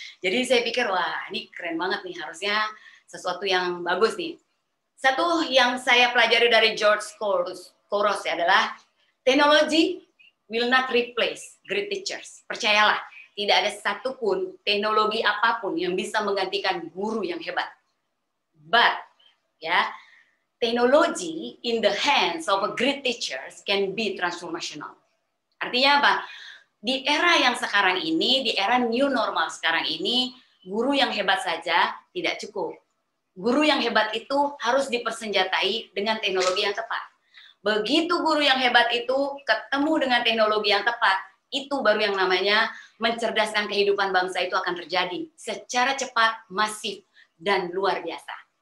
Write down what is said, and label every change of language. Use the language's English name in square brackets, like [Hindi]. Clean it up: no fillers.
[Indonesian] Jadi saya pikir, wah ini keren banget nih, harusnya sesuatu yang bagus nih. Satu yang saya pelajari dari George Koros ya adalah [English] technology will not replace great teachers. [Indonesian] Percayalah, tidak ada satupun teknologi apapun yang bisa menggantikan guru yang hebat. [English] But, ya, technology in the hands of a great teachers can be transformational. [Indonesian] Artinya apa? Di era yang sekarang ini, di era new normal sekarang ini, guru yang hebat saja tidak cukup. Guru yang hebat itu harus dipersenjatai dengan teknologi yang tepat. Begitu guru yang hebat itu ketemu dengan teknologi yang tepat, itu baru yang namanya mencerdaskan kehidupan bangsa itu akan terjadi secara cepat, masif, dan luar biasa.